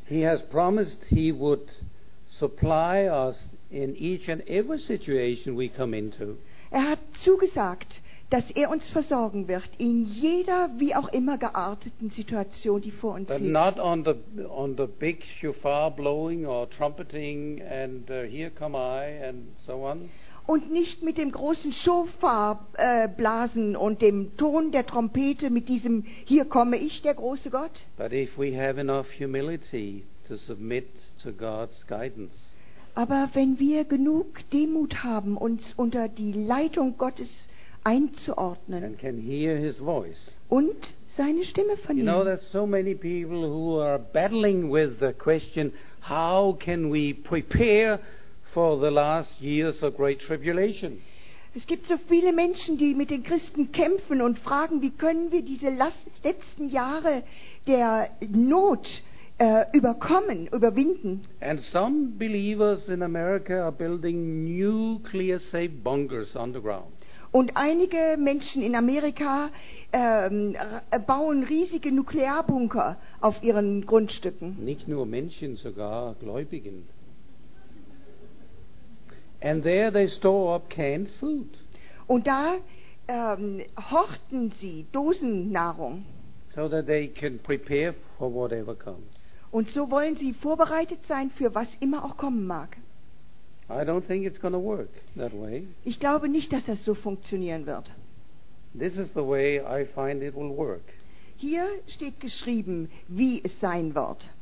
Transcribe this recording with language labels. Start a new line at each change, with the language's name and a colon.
English: He has promised he would supply us in each and every situation we come into.
German: Er hat zugesagt, dass er uns versorgen wird in jeder, wie auch immer gearteten Situation, die vor uns
English: but
German: liegt.
English: Not on the big shofar blowing or trumpeting and here come I and so on.
German: Und nicht mit dem großen Shofar blasen und dem Ton der Trompete, mit diesem hier komme ich, der große Gott.
English: But if we have enough humility to submit to God's guidance.
German: Aber wenn wir genug Demut haben, uns unter die Leitung Gottes einzuordnen
English: and can hear his voice.
German: Und seine Stimme vernehmen.
English: You know, there's so many people who are battling with the question, how can we prepare for the last years of great tribulation?
German: Es gibt so viele Menschen, die mit den Christen kämpfen und fragen, wie können wir diese letzten Jahre der Not überkommen, überwinden.
English: And some believers in America are building nuclear safe bunkers underground.
German: Und einige Menschen in Amerika bauen riesige Nuklearbunker auf ihren Grundstücken. Nicht nur Menschen, sogar Gläubigen.
English: And there they store up canned food.
German: Und da horten sie Dosennahrung.
English: So that they can prepare for whatever comes.
German: Und so wollen sie vorbereitet sein für was immer auch kommen mag.
English: I don't think it's going to work that way.
German: Ich glaube nicht, dass das so funktionieren wird.
English: This is the way I find it will work.
German: Hier steht geschrieben, wie es sein wird.